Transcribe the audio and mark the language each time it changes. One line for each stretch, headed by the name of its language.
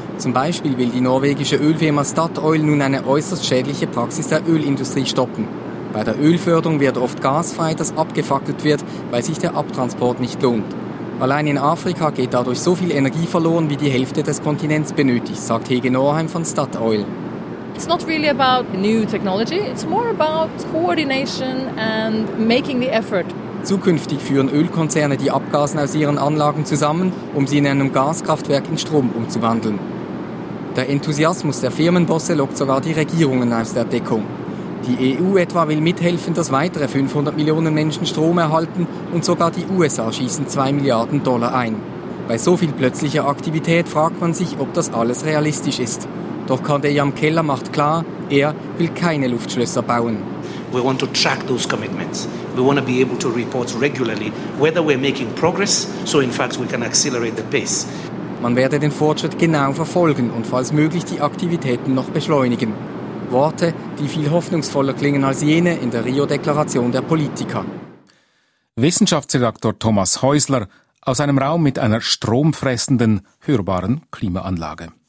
German: Zum Beispiel will die norwegische Ölfirma Statoil nun eine äußerst schädliche Praxis der Ölindustrie stoppen. Bei der Ölförderung wird oft gasfrei, das abgefackelt wird, weil sich der Abtransport nicht lohnt. Allein in Afrika geht dadurch so viel Energie verloren, wie die Hälfte des Kontinents benötigt, sagt Hege Norheim von Statoil.
English: It's not really about new technology, it's more about coordination and making the effort.
German: Zukünftig führen Ölkonzerne die Abgasen aus ihren Anlagen zusammen, um sie in einem Gaskraftwerk in Strom umzuwandeln. Der Enthusiasmus der Firmenbosse lockt sogar die Regierungen aus der Deckung. Die EU etwa will mithelfen, dass weitere 500 Millionen Menschen Strom erhalten und sogar die USA schießen 2 Milliarden Dollar ein. Bei so viel plötzlicher Aktivität fragt man sich, ob das alles realistisch ist. Doch Jan Keller macht klar, er will keine Luftschlösser bauen.
English: We want to track those commitments. We want to be able to report regularly whether we're making progress, so in fact we can accelerate the pace.
German: Man werde den Fortschritt genau verfolgen und falls möglich die Aktivitäten noch beschleunigen. Worte, die viel hoffnungsvoller klingen als jene in der Rio-Deklaration der Politiker. Wissenschaftsredaktor Thomas Häusler aus einem Raum mit einer stromfressenden, hörbaren Klimaanlage.